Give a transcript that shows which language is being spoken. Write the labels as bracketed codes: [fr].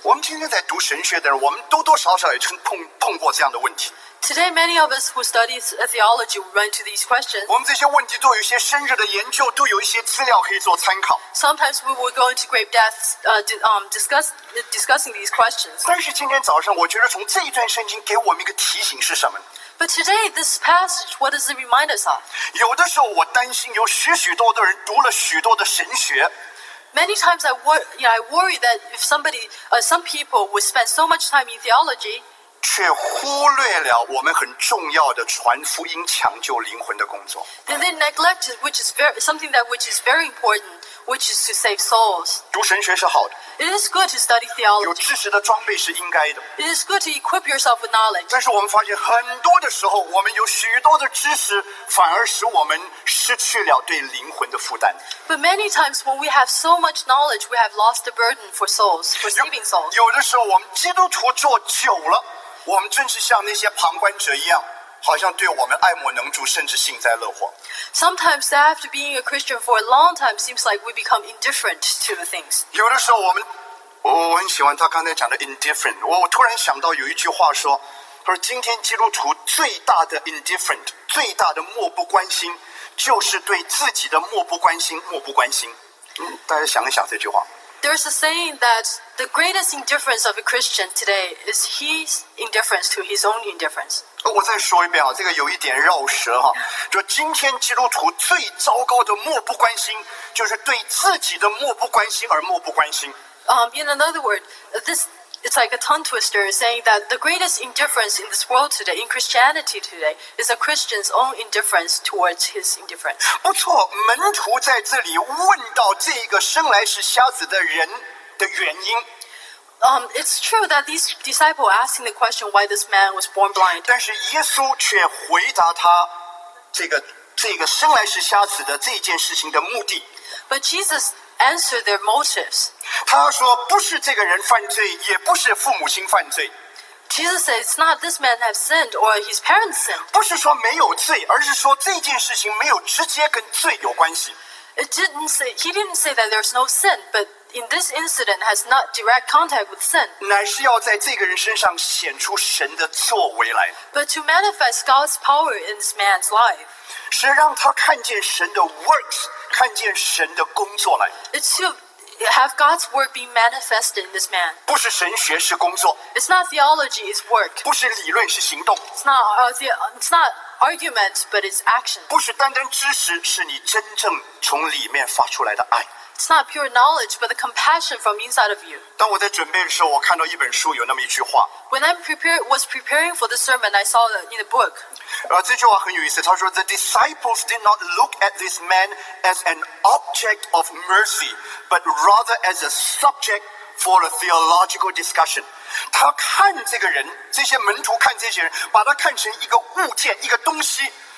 [zh] 我们今天在读神学的人，我们多多少少也曾碰过这样的问题。 [en] Today, many of us who study theology run to these questions. [zh] 我们这些问题都有一些深入的研究，都有一些资料可以做参考。 [en] Sometimes we will go into great depth, discussing these questions. [zh] 但是今天早上，我觉得从这一段圣经给我们一个提醒是什么？ [en] But today, this passage, what does it remind us of? [zh] 有的时候我担心，有许许多多人读了许多的神学。 [en] Many times I worry that if some people would spend so much time in theology. [zh] 却忽略了我们很重要的传福音、抢救灵魂的工作。 [en] Then they neglected, which is very important, which is to save souls. [zh] 读神学是好的。 [en] It is good to study theology. [zh] 有知识的装备是应该的。 [en] It is good to equip yourself with knowledge. [zh] 但是我们发现，很多的时候，我们有许多的知识，反而使我们失去了对灵魂的负担。 [en] But many times when we have so much knowledge, we have lost the burden for souls, for saving souls. [zh] 有的时候，我们基督徒做久了。我们真是像那些旁观者一样，好像对我们爱莫能助，甚至幸灾乐祸。 [en] Sometimes after being a Christian for a long time, seems like we become indifferent to the things. [zh] 有的时候我很喜欢他刚才讲的 indifferent。我突然想到有一句话说，他说今天基督徒最大的 indifferent， 最大的漠不关心，就是对自己的漠不关心，漠不关心。大家想一想这句话。 [en] There's a saying that the greatest indifference of a Christian today is his indifference to his own indifference. [zh] 我再说一遍啊，这个有一点绕舌哈。就今天基督徒最糟糕的漠不关心，就是对自己的漠不关心而漠不关心。 [en] In another word, this it's like a tongue twister saying that the greatest indifference in this world today, in Christianity today, is a Christian's own indifference towards his indifference. [zh] 不错，门徒在这里问到这个生来是瞎子的人的原因。 [en] It's true that these disciples asking the question why this man was born blind. [zh] 但是耶稣却回答他这个生来是瞎子的这件事情的目的。 [en] But Jesus answer their motives. [zh] 他说不是这个人犯罪，也不是父母亲犯罪。 [en] Jesus says it's not this man has sinned or his parents sinned. [zh] 不是说没有罪，而是说这件事情没有直接跟罪有关系。 [en] He didn't say that there's no sin, but in this incident has not direct contact with sin. [zh] 乃是要在这个人身上显出神的作为来。 [en] But to manifest God's power in this man's life. [zh] 是让他看见神的 works, 看见神的工作来。 [en] It's to have God's work be manifested in this man. [zh] 不是神学是工作。 [en] It's not theology, it's work. [zh] 不是理论是行动。 [en] It's not argument, but it's action. [zh] 不是单单知识，是你真正从里面发出来的爱。 [en] It's not pure knowledge, but the compassion from inside of you. [zh] 当我在准备的时候，我看到一本书有那么一句话。 [en] When I was preparing for the sermon, I saw it in the book. [zh] 这句话很有意思，他说 [en] the disciples did not look at this man as an object of mercy, but rather as a subject for a theological discussion. [zh] 他看这个人，这些门徒看这些人，把他看成一个物件，一个东西。